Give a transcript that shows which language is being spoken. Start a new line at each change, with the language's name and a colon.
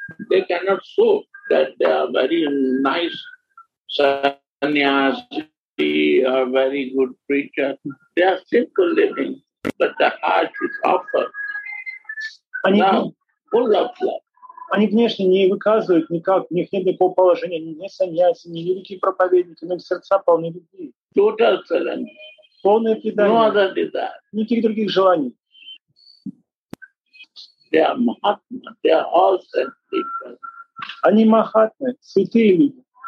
English: They cannot show that they are very nice sannyasi or very good preacher. They are simple living, but the heart is offered.
Russian: Они,
English: full of love.
Russian: Они внешне не выказывают никак, у них нет никакого положения, они не сannyasi, не великие проповедники, но их сердца полны любви.
English: Total surrender.
Russian: Полное предание.
English: No other than that.
Russian: Никаких других желаний.
English: They are mahatma, they are all sent people.
Russian: Они махатмы, святые люди.